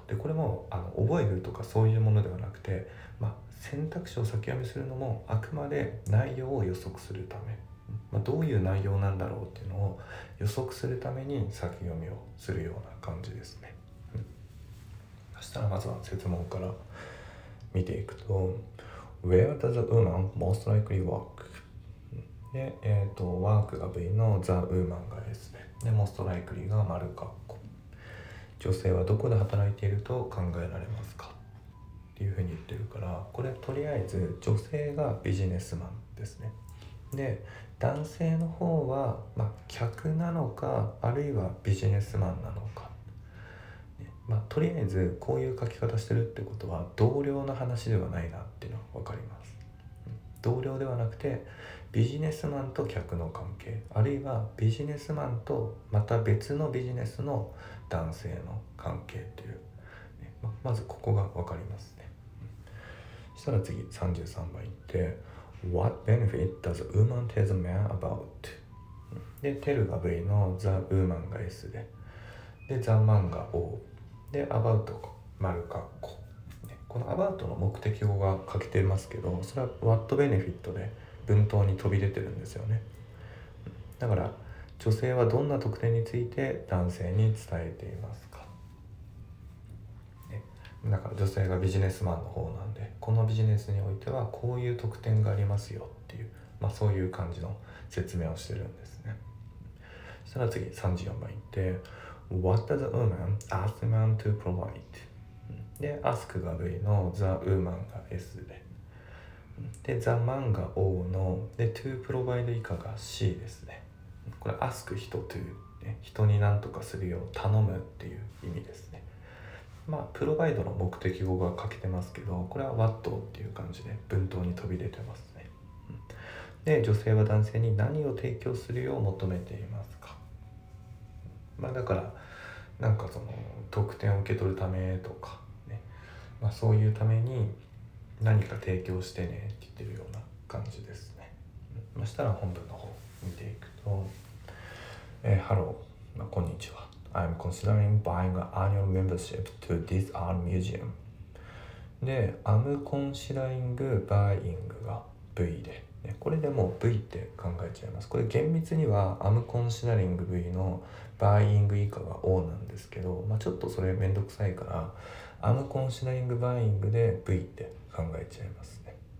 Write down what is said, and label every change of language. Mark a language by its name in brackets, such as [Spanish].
[Japanese] でこれも覚えるとかそういうものではなくて、まあ、選択肢を先読みするのもあくまで内容を予測するため、まあ、どういう内容なんだろうっていうのを予測するために先読みをするような感じですね。そしたらまずは設問から見ていくと、 [English] Where does the woman most likely work? [Japanese] で、work が V の the woman が S で、で、most likely が丸括弧。女性はどこで働いていると考えられますか？っていうふうに言ってるから、これとりあえず女性がビジネスマンですね。で、男性の方は、まあ、客なのか、あるいはビジネスマンなのか。まあ、とりあえずこういう書き方してるってことは同僚の話ではないなっていうのは分かります。同僚ではなくてビジネスマンと客の関係、あるいはビジネスマンとまた別のビジネスの男性の関係という、ね、まずここが分かりますね。そしたら次33番いって、 [English] What benefit does a woman tell the man about? [Japanese] で、テルが V の The woman が S で、で、The man が O で、アバウト、丸括弧。このアバウトの目的語が書けてますけど、それは What benefit で文頭に飛び出てるんですよね。だから、女性はどんな特典について男性に伝えていますか。だから女性がビジネスマンの方なんで、このビジネスにおいてはこういう特典がありますよっていう、まあそういう感じの説明をしてるんですね。そしたら次、34番いって、 [English] What does a woman ask the man to provide? [Japanese] で、ask が V の the woman が S で、で、the man が O の、で、to provide 以下が C ですね。これ、ask 人 to、ね、人に何とかするよう頼むっていう意味ですね。まあ、provide の目的語が書けてますけど、これは what っていう感じで文頭に飛び出てますね。で、女性は男性に何を提供するよう求めています。まあ、だからなんかその特典を受け取るためとかね、まあそういうために何か提供してねって言ってるような感じですね。まあ、したら本文の方見ていくと、Hello、まあ、こんにちは。 [English] I'm considering buying an annual membership to this art museum. [Japanese] で、 I'm considering buying が V で、ね、これでもう V って考えちゃいます。これ厳密には I'm considering V のバイイング以下が O なんですけど、まあ、ちょっとそれめんどくさいから、アムコンシナリングバイイングで V って考えちゃいますね。